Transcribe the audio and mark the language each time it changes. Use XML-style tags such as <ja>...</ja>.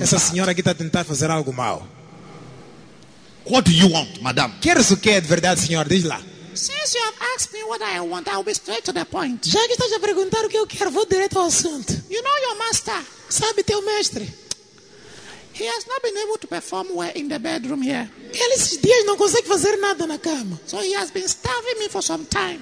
<pt>Essa senhora aqui está a tentar fazer algo mal.</pt> <en>What do you want, madam?</en> <pt>Queres o que é de verdade, senhor? Diz lá.</pt> <en>Since you have asked me what I want, I will be straight to the point.</en> <pt>Já que estás a perguntar o que eu quero, vou direto ao assunto.</pt> <en>You know your master.</en> <pt>Sabe teu mestre?</pt> <en>He has not been able to perform well in the bedroom here.</en> <pt>Ele esses dias não consegue fazer nada na cama.</pt> <en>So he has been starving me for some time.</en>